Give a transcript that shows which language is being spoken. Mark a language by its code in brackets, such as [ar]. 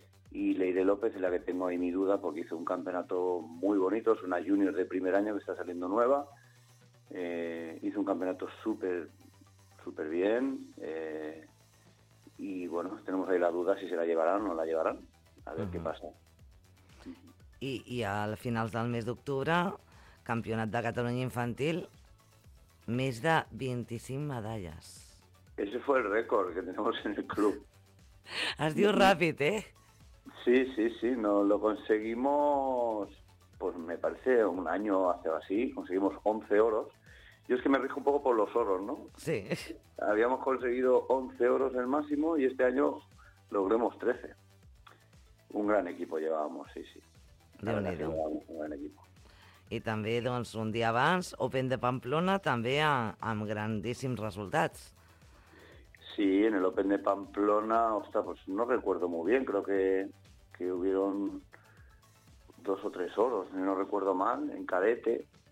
[es] Y Leire López, en la que tengo ahí mi duda, porque hizo un campeonato muy bonito, es una junior de primer año que está saliendo nueva. Hizo un campeonato súper, súper bien. Y bueno, tenemos ahí la duda si se la llevarán o no la llevarán. A ver uh-huh. qué pasa. [ca] Y a finals del mes d'octubre, Campionat de Catalunya Infantil, més de 25 medalles. [es] Ese fue el récord que tenemos en el club. Has dicho rápido, ¿eh? Sí, no, lo conseguimos, pues me parece un año hace o así, conseguimos 11 oros. Yo es que me rijo un poco por los oros, ¿no? Sí. Habíamos conseguido 11 oros el máximo y este año logremos 13. Un gran equipo llevábamos, sí. [ca] Déu-n'hi-do. [es] Un gran equipo. [ca] I també, doncs, un dia abans, Open de Pamplona, també amb grandíssims resultats. [es] Sí, en el Open de Pamplona, pues no recuerdo muy bien, creo que hubieron 2 o 3 oros, no recuerdo mal, en cadete.